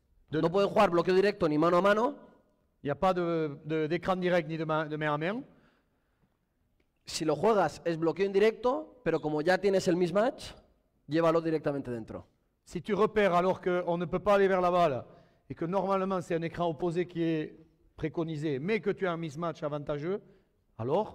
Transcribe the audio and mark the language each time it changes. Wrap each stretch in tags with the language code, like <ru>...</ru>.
<es>No pueden jugar bloqueo directo ni mano a mano.</es> <fr>Y a pas d'écran direct ni de main à main.</fr> <es>Si lo juegas es bloqueo indirecto, pero como ya tienes el mismatch, llévalo directamente dentro.</es> <fr>Si tu repères alors qu'on ne peut pas aller vers la balle et que normalement c'est un écran opposé qui est préconisé, mais que tu as un mismatch avantageux, alors</fr>